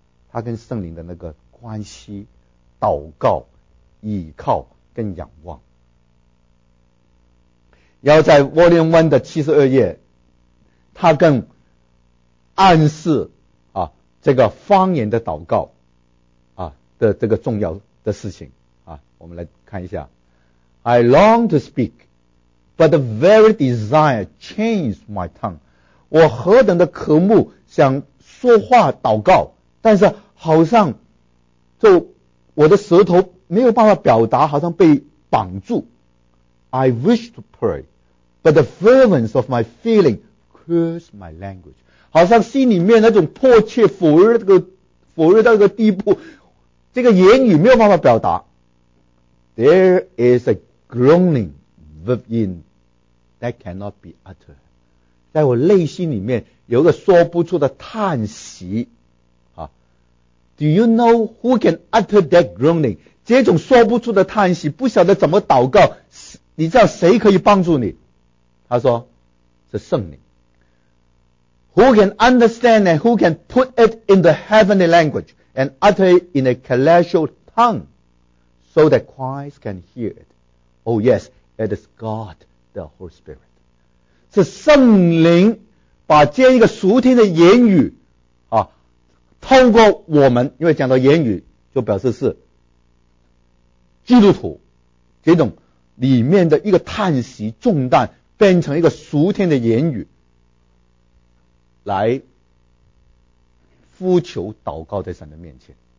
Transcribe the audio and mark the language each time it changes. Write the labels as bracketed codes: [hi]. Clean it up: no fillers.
[zh] 他跟圣灵的那个关系、祷告、倚靠跟仰望。然后在沃林湾的72页。他更暗示啊，这个方言的祷告啊的这个重要的事情啊，我们来看一下。 [en] I long to speak, but the very desire changed my tongue. [zh] 我何等的渴慕想说话祷告，但是好像就我的舌头没有办法表达，好像被绑住。 [en] I wish to pray, but the fervence of my feeling. Curse my language， [zh] 好像心里面那种迫切否认到一个地步，这个言语没有办法表达。 [en] There is a groaning within that cannot be uttered， [zh] 在我内心里面有个说不出的叹息啊。 [en] Do you know who can utter that groaning？ [zh] 这种说不出的叹息，不晓得怎么祷告，你知道谁可以帮助你？他说是圣灵。 [en] Who can understand and who can put it in the heavenly language and utter it in a celestial tongue so that Christ can hear it? Oh yes, it is God, the Holy Spirit. [zh] 是圣灵把这一个属天的言语啊，透过我们，因为讲到言语就表示是基督徒，这种里面的一个叹息重担变成一个属天的言语来呼求祷告在神的面前。